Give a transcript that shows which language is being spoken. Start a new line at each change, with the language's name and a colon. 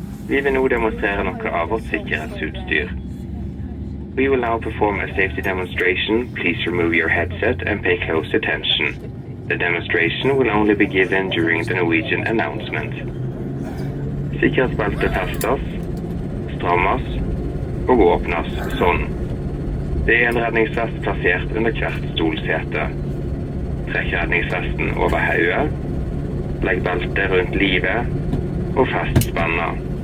Norwegian: Vi vil nå demonstrere noe av vårt sikkerhetsutstyr.
English: We will now perform a safety demonstration. Please remove your headset and pay close attention. The demonstration will only be given during the Norwegian announcement.
Norwegian: Sikkerhetsbeltet festes, strammes og åpnes sånn. Det er en redningsvest plassert under hvert stolsete. Trekk redningsvesten over hodet. Legg beltet rundt livet og fest spennet.